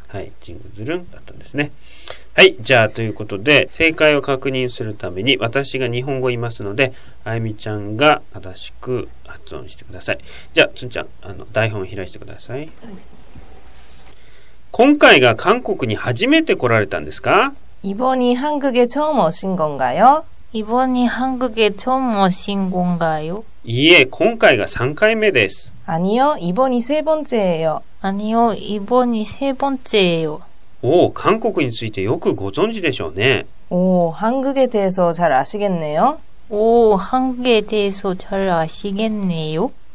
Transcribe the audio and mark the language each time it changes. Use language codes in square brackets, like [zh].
[ja] はい、 [ko] 친구들은 [ja] だったんですね。はい、じゃあということで正解を確認するために私が日本語言いますので、あゆみちゃんが正しく発音してください。じゃあつんちゃん、あの台本を開いてください、はい、今回が韓国に初めて来られたんですか？ [ko] 이번이한국에처음오신건가요？ 이번이한국에처음오신건가요？ [ja] いいえ、今回が3回目です。 [ko] 아니요이번이세번째예요。 아니요이번이세번째예요。 [ja] お、韓国についてよくご存知でしょうね。 [ko] お、한국에대해서잘아시겠네요。お、한국에대해서잘아시겠네요。